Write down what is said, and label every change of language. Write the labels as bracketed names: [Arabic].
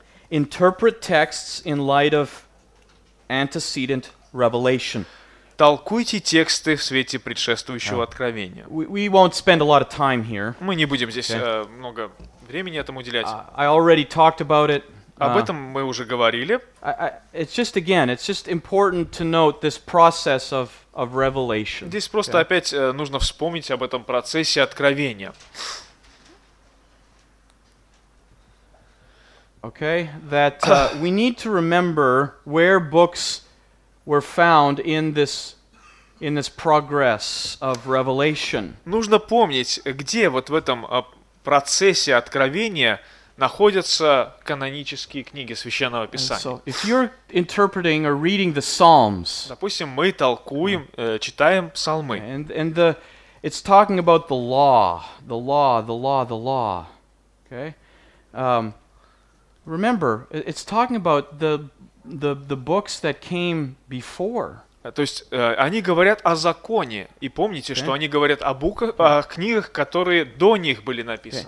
[English] Interpret texts in light of antecedent revelation. [Russian] Толкуйте тексты в свете предшествующего откровения. [English] We won't spend a lot of time here. [Russian] Мы не будем здесь много времени этому уделять. [English] I already talked about it. [Russian] Об этом мы уже говорили. [English] It's just important to note this process of revelation. [Russian] Здесь просто опять нужно вспомнить об этом процессе откровения. [English] Okay, that we need to remember where books were found in this progress of revelation. [Russian] Нужно помнить, где вот в этом процессе откровения находятся канонические книги Священного Писания. [English] So, if you're interpreting or reading the Psalms, [Russian] допустим, мы толкуем, читаем псалмы. [English] And it's talking about the law, the law, the law, the law. Okay. Remember, it's talking about the books that came before. [Russian] То есть они говорят о законе, и помните, okay. что они говорят о буках, о книгах, которые до них были написаны.